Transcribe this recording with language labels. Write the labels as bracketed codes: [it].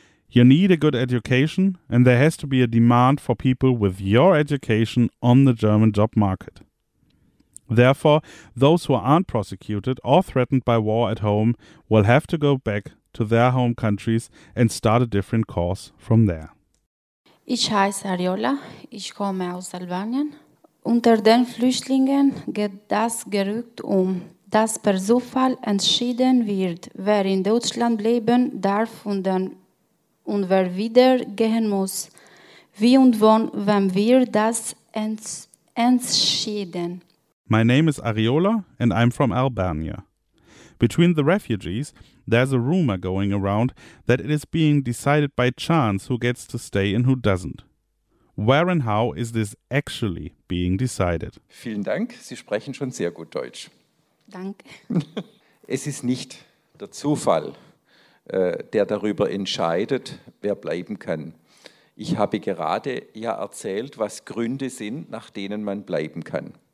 [en] You need a good education, and there has to be a demand for people with your education on the German job market. Therefore, those who aren't prosecuted or threatened by war at home will have to go back to their home countries and start a different course from there. [de] Ich heiße Ariola, ich komme aus Albanien. Unter den Flüchtlingen geht das Gerücht um, dass per Zufall entschieden wird, wer in Deutschland bleiben darf und wer wieder gehen muss. Wie und wann, wenn wir das entschieden? [en] My name is Ariola and I'm from Albania. Between the refugees, there's a rumor going around that it is being decided by chance who gets to stay and who doesn't. Where and how is this actually being decided? [de] Vielen Dank, Sie sprechen schon sehr gut Deutsch. Danke. Es ist nicht der Zufall, der darüber entscheidet, wer bleiben kann. Ich habe gerade ja erzählt, was Gründe sind, nach denen man bleiben kann.